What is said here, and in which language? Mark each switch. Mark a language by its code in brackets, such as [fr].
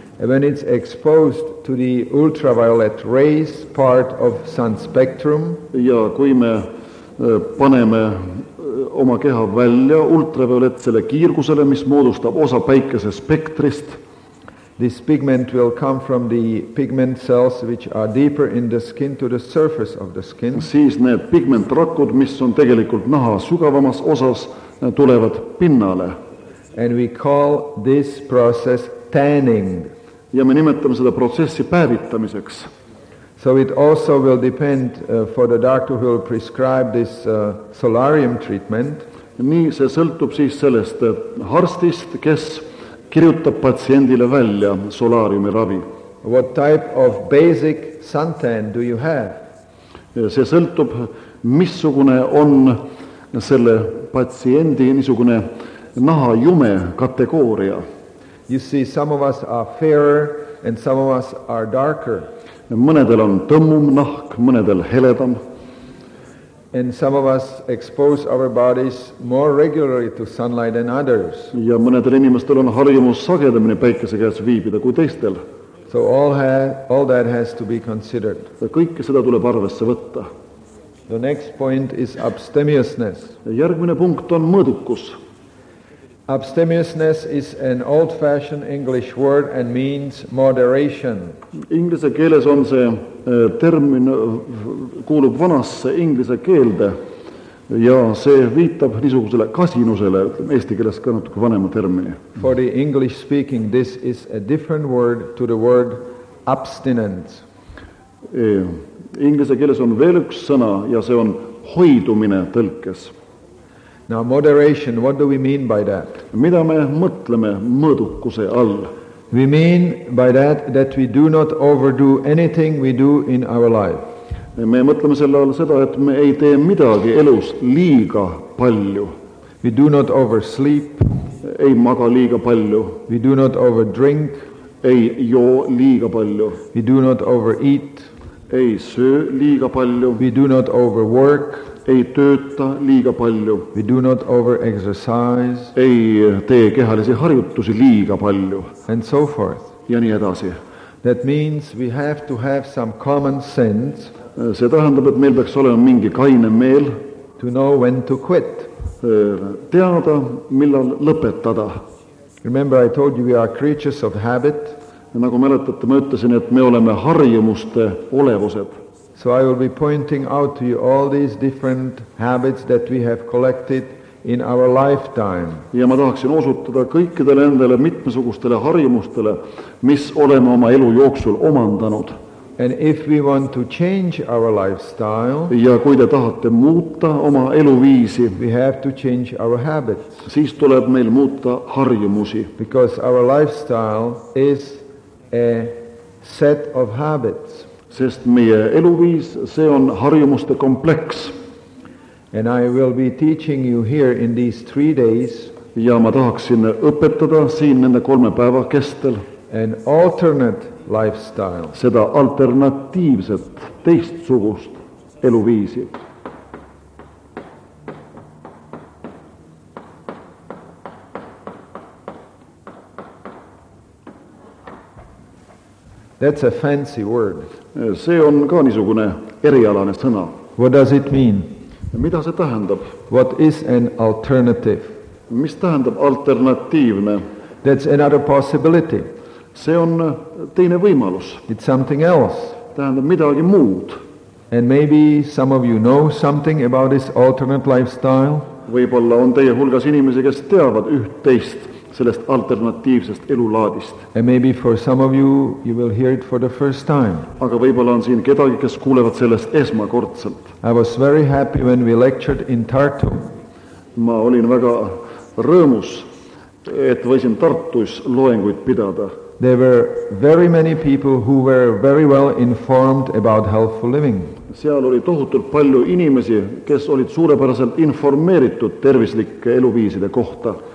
[en] And when it's exposed to the ultraviolet rays part of sun spectrum. [et] Ja kui me paneme oma keha välja ultraviolettsele kiirgusele, mis moodustab osa päikese spektrist. [en] This pigment will come from the pigment cells which are deeper in the skin to the surface of the skin. [et] Siis need pigmentrakud, mis on tegelikult naha sugavamas osas, tulevad pinnale. [en] And we call this process tanning. [et] Ja me nimetame seda protsessi päevitamiseks. [en] So it also will depend for the doctor who will prescribe this solarium treatment. [et] Nii see sõltub siis sellest arstist, kes kirjutab patsiendile välja solariumi ravi. [en] What type of basic suntan do you have? [et] See sõltub, missugune on selle patsiendi niisugune naha jume kategooria. [en] You see, some of us are fairer and some of us are darker. [et] Mõnedel on tõmmum nahk, mõnedel heledam. [en] And some of us expose our bodies more regularly to sunlight than others. [et] Ja mõnedel inimestel on harjumus sagedamine päikese käes viibida kui teistel. [en] So all that has to be considered. [et] Ja kõike seda tuleb arvesse võtta. [en] The next point is abstemiousness. [et] Ja järgmine punkt on mõõdukus. [en] Abstemiousness is an old-fashioned English word and means moderation. [et] Inglise keeles on see termin kuulub vanasse inglise keelde ja see viitab niisugusele kasinusele, eesti keeles ka natuke vanema termini. [en] For the English speaking, this is a different word to the word abstinence. [et] Inglise keeles on veel üks sõna ja see on hoidumine tõlkes. [en] Now moderation, what do we mean by that? [et] Mida me mõtleme mõõdukuse all? [en] We mean by that we do not overdo anything we do in our life. [et] Me mõtleme selle all seda, et me ei tee midagi elus liiga palju. [en] We do not oversleep. [et] Ei maga liiga palju. [en] We do not overdrink. [et] Ei joo liiga palju. [en] We do not overeat. [et] Ei söö liiga palju. [en] We do not overwork. [et] Ei tööta liiga palju. [en] We do not over-exercise. [et] Ei tee kehalisi harjutusi liiga palju. [en] And so forth. [et] Ja nii edasi. [en] That means we have to have some common sense. [et] See tähendab, et meil peaks olema mingi kaine meel. [en] To know when to quit. [et] Teada, millal lõpetada. [en] Remember, I told you we are creatures of habit. [et] Ja nagu mäletate, ma ütlesin, et me oleme harjumuste olevused. [en] So I will be pointing out to you all these different habits that we have collected in our lifetime. [et] Ja ma tahaksin osutada kõikidele endale mitmesugustele harjumustele, mis oleme oma elu jooksul omandanud. [en] And if we want to change our lifestyle, [et] ja kui te tahate muuta oma eluviisi, [en] we have to change our habits. [et] Siis tuleb meil muuta harjumusi. [en] Because our lifestyle is a set of habits. [et] Sest meie eluviis, see on harjumuste kompleks. [en] And I will be teaching you here in these 3 days. [et] Ja ma tahaksin õpetada siin nende kolme päeva kestel. [en] An alternate lifestyle. [et] Seda alternatiivset teistsugust eluviisi. [en] That's a fancy word. [et] See on ka niisugune erialane sõna. [en] What does it mean? [et] Mida see tähendab? [en] What is an alternative? [et] Mis tähendab alternatiivne? [en] That's another possibility. [et] See on teine võimalus. [en] It's something else. [et] Tähendab midagi muud. [en] And maybe some of you know something about this alternate lifestyle. [et] Võib-olla on teie hulgas inimesi, kes teavad üht-teist sellest alternatiivsest elulaadist. [en] And maybe for some of you, you will hear it for the first time. [et] Aga võib-olla on siin kedagi, kes kuulevad sellest esmakordselt. [en] I was very happy when we lectured in Tartu. [et] Ma olin väga rõõmus, et võisin Tartus loenguid pidada. [en] There were very many people who were very well informed about healthful living. [et] Seal oli tohutult palju inimesi, kes olid suurepäraselt informeeritud tervislike eluviiside kohta.